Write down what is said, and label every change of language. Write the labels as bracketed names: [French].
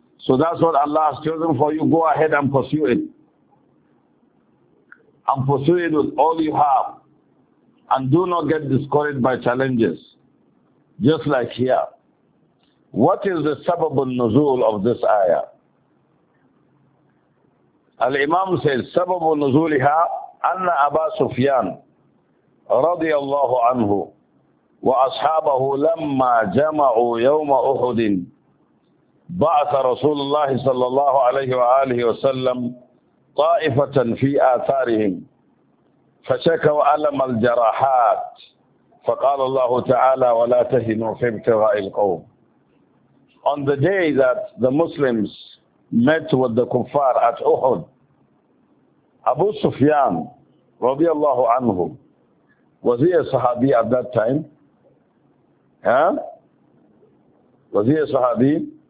[English] So that's what Allah has chosen for you. Go ahead and pursue it, and pursue it with all you have, and do not get discouraged by challenges. Just like here, what is the sabab al-nuzul of this ayah? [Arabic] الإمام [English] says [Arabic] سبب نزولها أن أبا سفيان رضي الله عنه وأصحابه لما جمعوا يوم أحد بعث رسول الله صلى الله عليه وآله وسلم طائفة في آثارهم فشكوا ألم الجراحات فقال الله تعالى ولا تهنوا في ابتغاء القوم. [English] on the day that the Muslims met with the kuffar at Uhud, Abu Sufyan, radiallahu anhu, was he a Sahabi at that time? Huh? Was he a Sahabi?